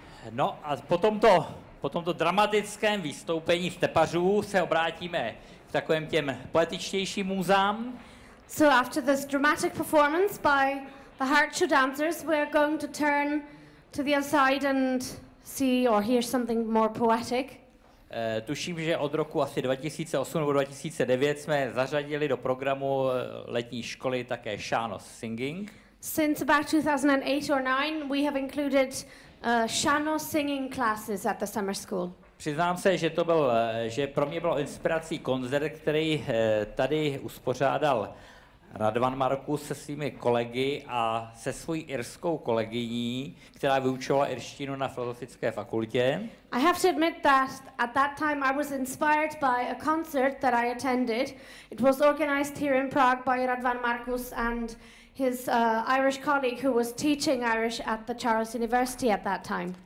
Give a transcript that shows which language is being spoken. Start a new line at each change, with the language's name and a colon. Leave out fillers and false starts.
Czech: No a po tomto dramatickém vystoupení stepařů se obrátíme k takovým těm poetičtějším múzám.
English: So after this dramatic performance by the harp show dancers, we are going to turn to the outside and see or hear something more poetic.
Czech: Tuším, že od roku asi 2008 nebo 2009 jsme zařadili do programu letní školy také Shanos singing.
English: Since about 2008 or 9 we have included Shano singing classes at the summer school.
Czech: Přiznám se, že pro mě bylo inspirací koncert, který tady uspořádal Radvan Markus se svými kolegy a se svou irskou kolegyní, která vyučovala irštinu na filozofické fakultě.
English: I have to admit that at that time I was inspired by a concert that I attended. It was organized here in Prague by Radvan Markus and his Irish colleague who was teaching Irish at the Charles University at that time.